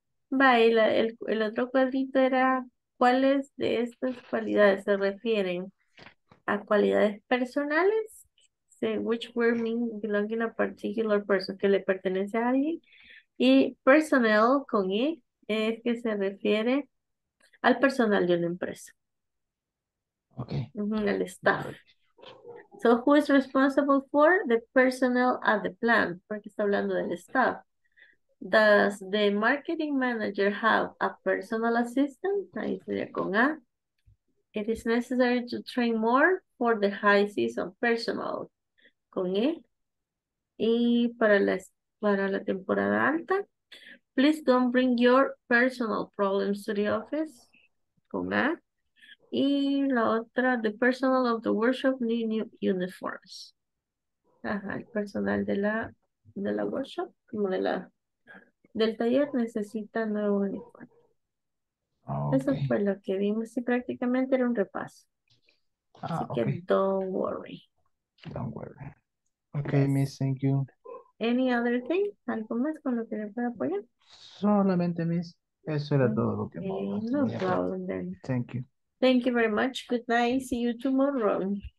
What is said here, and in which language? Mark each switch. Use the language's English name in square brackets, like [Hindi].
[Spanish] Vale, el otro cuadrito era cuáles de estas cualidades se refieren a cualidades personales, [English] which were mean belonging a particular person, [Spanish] que le pertenece a alguien, y personal con I es que se refiere al personal de una empresa. [English] Okay. [Spanish] El staff. [English] So who is responsible for the personnel at the plant? [Spanish] Porque está hablando del staff. [English] Does the marketing manager have a personal assistant? [Spanish] Ahí sería con A. [English] It is necessary to train more for the high season personal. [Spanish] Con E. Y para la temporada alta. [English] Please don't bring your personal problems to the office. [Spanish] Con A. Y la otra, [English] the personal of the workshop need new uniforms. [Spanish] Ajá, el personal de la workshop, como de la... del taller necesita nuevo uniforme. [English] Okay. [Spanish] Eso fue lo que vimos y prácticamente era un repaso. Ah, así [English] okay. Que don't worry. Don't worry. Okay, yes. Miss, thank you. Any other thing? [Spanish] ¿Algo más con lo que le pueda apoyar? Solamente, Miss. Eso era todo lo que [English] no problem then. Thank you. Thank you very much. Good night. See you tomorrow.